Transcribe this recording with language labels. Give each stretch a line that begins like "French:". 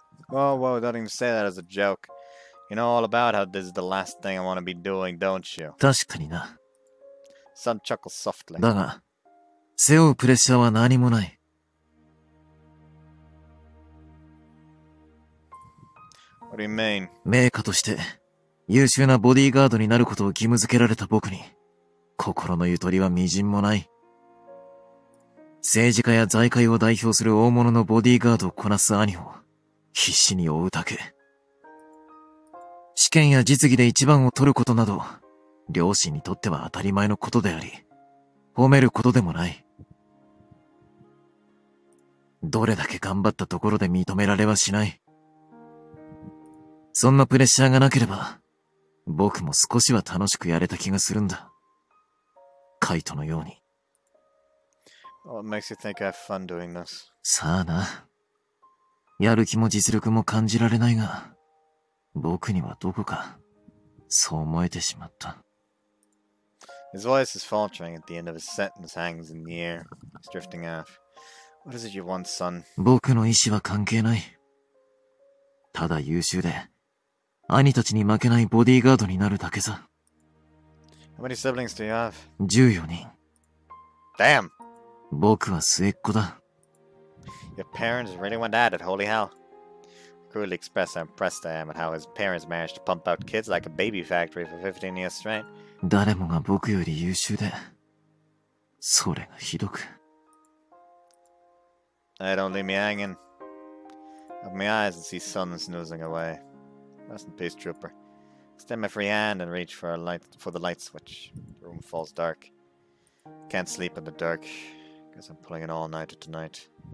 English: Whoa, whoa, don't even say that as a joke. You know all about how this is the last thing I want to be doing, don't you?
Japanese: 確かにな。
English: Son chuckles softly.
Japanese: だが、背負うプレッシャーは何もない。
English: What do you mean?
Japanese: 名家として、優秀なボディーガードになることを義務付けられた僕に、心のゆとりはみじんもない。政治家や財界を代表する大物のボディーガードをこなす兄を、必死に追うだけ。試験や実技で一番を取ることなど、両親にとっては当たり前のことであり、褒めることでもない。どれだけ頑張ったところで認められはしない。そんなプレッシャーがなければ、僕も少しは楽しくやれた気がするんだ。カイトのように。
English: What makes you think I have fun doing this?
Japanese: さあな。やる気も実力も感じられないが、僕にはどこか、そう思えてしまった。
English: His voice is faltering at the end of his sentence, hangs in the air. He's drifting off. What is it you want, son?
Japanese: 僕の意志は関係ない。ただ優秀で、兄たちに負けないボディーガードになるだけさ。
English: How many siblings do you have?
Japanese: 14人。
English: Damn!
Japanese: 僕は末っ子だ。
English: Your parents really went at it, holy hell. Cruelly express how impressed I am at how his parents managed to pump out kids like a baby factory for 15 years straight.
Japanese: 誰もが僕より優秀で、それがひどく。
English: Hey, don't leave me hanging. Open my eyes and see sun snoozing away. Rest in peace, trooper. Extend my free hand and reach for, for the light switch. The room falls dark. Can't sleep in the dark. Guess I'm pulling an all-nighter tonight.